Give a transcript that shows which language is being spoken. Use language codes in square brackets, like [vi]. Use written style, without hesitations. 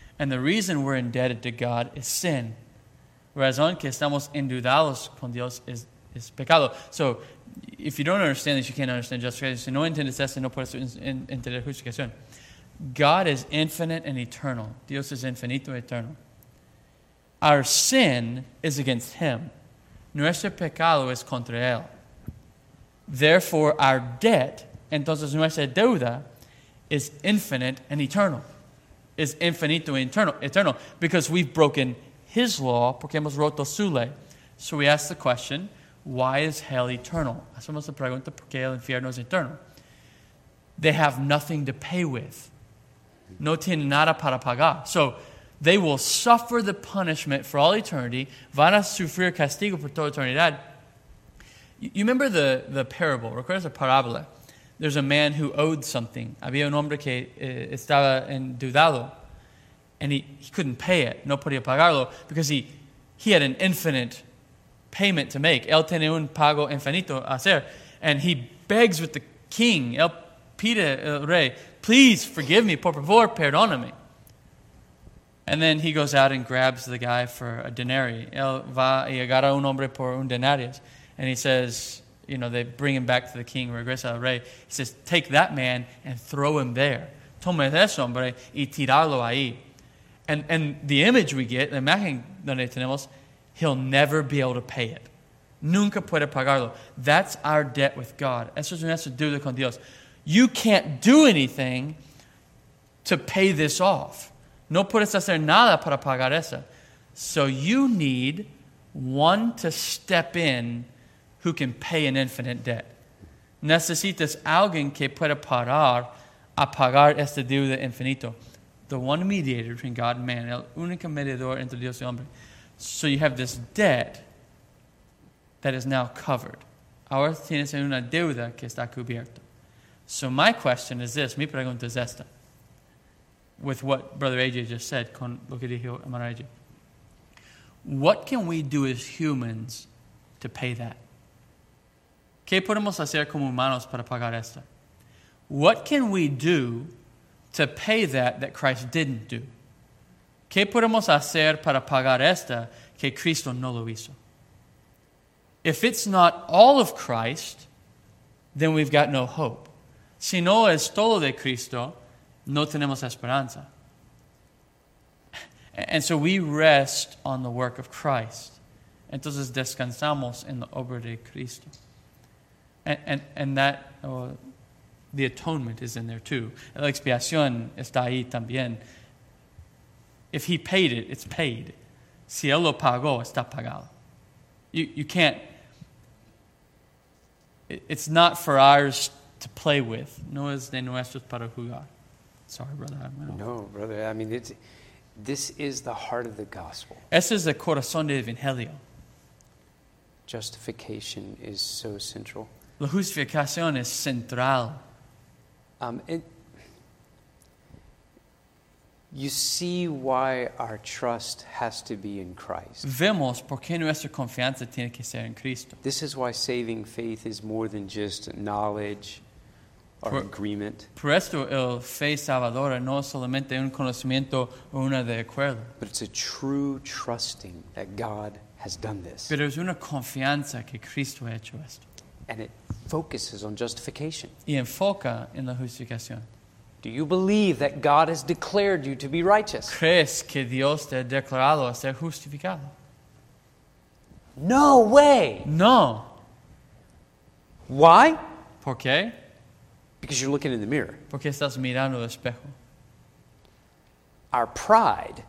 [en] And the reason we're indebted to God is sin. [es] Razón que estamos endeudados con Dios es pecado. [en] So if you don't understand this, you can't understand justification. [es] Si no entiendes esto, no puedes entender justificación. [en] God is infinite and eternal. [es] Dios es infinito y eterno. [en] Our sin is against him. [es] Nuestro pecado es contra él. [en] Therefore, our debt, [es] entonces nuestra deuda, [en] is infinite and eternal. Is infinito y eternal. Because we've broken his law, [es] porque hemos roto su ley. [en] So we ask the question, why is hell eternal? [es] Hacemos la pregunta, ¿por qué el infierno es eterno? [en] They have nothing to pay with. [es] No tienen nada para pagar. [en] So, they will suffer the punishment for all eternity. [es] Van a sufrir castigo por toda eternidad. [en] You remember the parable? [es] ¿Recuerdas la parábola? [en] There's a man who owed something. [es] Había un hombre que estaba endeudado. [en] And he couldn't pay it. [es] No podía pagarlo. [en] Because he had an infinite payment to make. [es] Él tenía un pago infinito a hacer. [en] And he begs with the king. [es] Él pide al rey, [en] please forgive me. [es] Por favor, perdóname. [en] And then he goes out and grabs the guy for a denarii. [es] Él va y agarra un hombre por un denario. [en] And he says, you know, they bring him back to the king, [es] regresa al rey. [en] He says, take that man and throw him there. [es] Toma ese hombre y tíralo ahí. [en] And the image we get, the [es] imagen donde tenemos, [en] he'll never be able to pay it. [es] Nunca puede pagarlo. [en] That's our debt with God. [es] Eso es nuestra deuda con Dios. [en] You can't do anything to pay this off. [es] No puedes hacer nada para pagar esa. [en] So you need one to step in who can pay an infinite debt. [es] Necesitas alguien que pueda parar a pagar este deuda infinito. [en] The one mediator between God and man. [es] El único mediador entre Dios y hombre. [en] So you have this debt that is now covered. [es] Ahora tienes una deuda que está cubierta. [en] So my question is this. [es] Mi pregunta es esta. [en] With what Brother AJ just said, [es] con lo que dijo Hermano AJ. [en] What can we do as humans to pay that. [es] ¿Qué podemos hacer como humanos para pagar esto? [en] What can we do to pay that that Christ didn't do? [es] ¿Qué podemos hacer para pagar esto que Cristo no lo hizo? [en] If it's not all of Christ, then we've got no hope. [es] Si no es todo de Cristo, no tenemos esperanza. [en] And so we rest on the work of Christ. [es] Entonces descansamos en la obra de Cristo. [en] And that, the atonement is in there too. [es] La expiación está ahí también. [en] If he paid it, it's paid. [es] Si él lo pagó, está pagado. [en] You can't, it's not for ours to play with. [es] No es de nuestros para jugar. [en] Sorry, brother. No, brother. I mean, this is the heart of the gospel. [es] Este es el corazón del Evangelio. [en] Justification is so central. [es] La justificación es central. [en] You see why our trust has to be in Christ. [es] Vemos por qué nuestra confianza tiene que ser en Cristo. [en] This is why saving faith is more than just knowledge or agreement. [es] Por esto el fe salvadora no es solamente un conocimiento o una de acuerdo. [en] But it's a true trusting that God has done this. [es] Pero es una confianza que Cristo ha hecho esto. [en] And it focuses on justification. [es] Y enfoca en la justificación. [en] Do you believe that God has declared you to be righteous? [es] ¿Crees que Dios te ha declarado a ser justificado? [en] No way! [es] No. [en] Why? [es] ¿Por qué? [en] Because you're looking in the mirror. [es] Porque estás mirando el espejo. [en] Our pride,